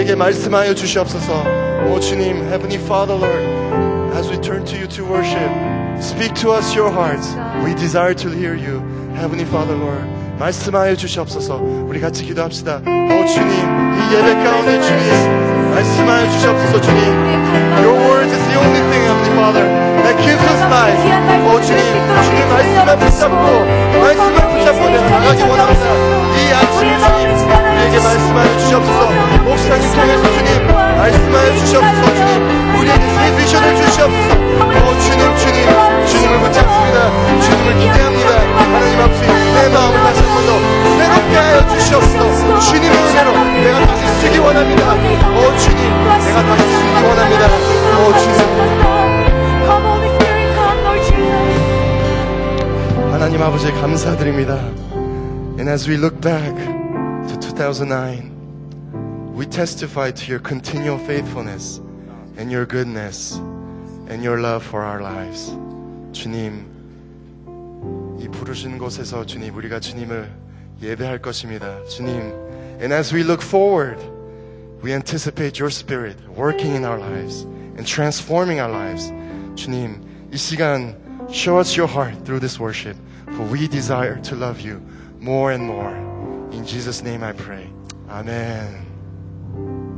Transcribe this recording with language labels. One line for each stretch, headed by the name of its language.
English: Heavenly Father, Lord, as we turn to you to worship, speak to us your hearts. We desire to hear you, Heavenly Father, Lord.
Korean: 말씀하여 주시옵소서. 우리 같이 기도합시다. 오 주님, 이 예배 가운데 주님 말씀하여 주시옵소서. 주님,
English: your word is the only thing, Heavenly Father, that gives us life.
Korean: 오 주님, 주님 말씀을 붙잡고 말씀을 붙잡고 나아가기 원합니다. 이 아침 주님 내게 말씀하여 주시옵소서. 목사님 통해서 주님 말씀하여 주시옵소서. 주님 우리에게 새 비전을 주시옵소서. 오 주님, 주님 주님을 붙잡습니다. 주님을 기대합니다. 하나님 앞에 내 마음을 다시 한 번 더 새롭게 하여 주시옵소서. 주님의 은혜로 내가 다시 쓰기 원합니다. 오 주님 내가 다시 쓰기 원합니다. 오 주님 하나님 아버지 감사드립니다.
English: And as we look back to 2009, we testify to your continual faithfulness and your goodness and your love for our lives.
Korean: 주님, 이 부르신 곳에서 주님, 우리가 주님을 예배할 것입니다. 주님,
English: and as we look forward, we anticipate your spirit working in our lives and transforming our lives.
Korean: 주님, 이 시간,
English: show us your heart through this worship, for we desire to love you more and more. In Jesus' name I pray. Amen.